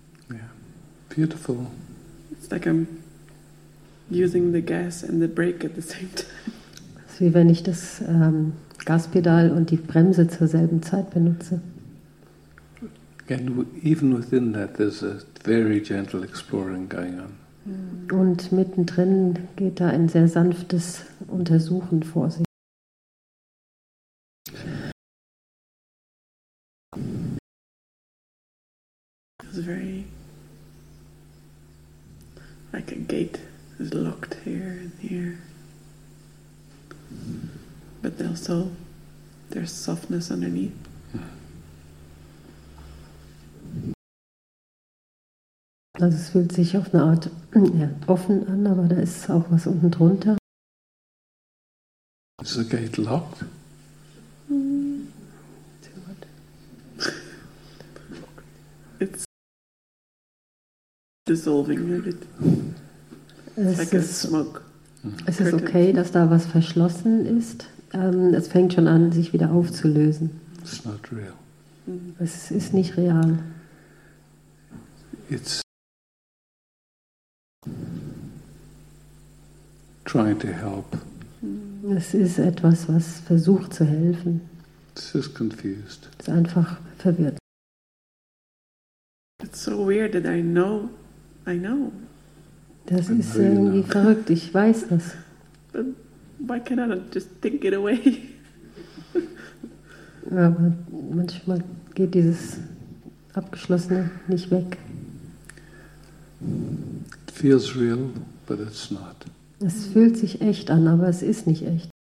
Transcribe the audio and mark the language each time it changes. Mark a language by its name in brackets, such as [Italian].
[English] Yeah, beautiful. It's like I'm using the gas and the brake at the same time. [German] Es ist wie wenn ich das Gaspedal und die Bremse zur selben Zeit benutze. [English] And even within that, there's a very gentle exploring going on. [German] Und mittendrin geht da ein sehr sanftes Untersuchen vor sich. [English] It's very like a gate is locked here and here, but also there's softness underneath. [German] Also es fühlt sich auf eine Art offen an, aber da ist auch was unten drunter. [English] Is the gate locked? It's dissolving a bit. It's like a smoke. [German] Es ist okay, dass da was verschlossen ist. Es fängt schon an, sich wieder aufzulösen. [English] It's not real. [German] Es ist nicht real. [English] It's trying to help. [German] Es ist etwas, was versucht zu helfen. [English] It's just confused. [German] Es ist einfach verwirrt. [English] It's so weird that I know. [German] Das ist irgendwie verrückt. Ich weiß das. [English] But why can't I just think it away? [German] Aber manchmal geht dieses Abgeschlossene nicht weg. [English] It feels real, but it's not. [German] Es fühlt sich echt an, aber es ist nicht echt.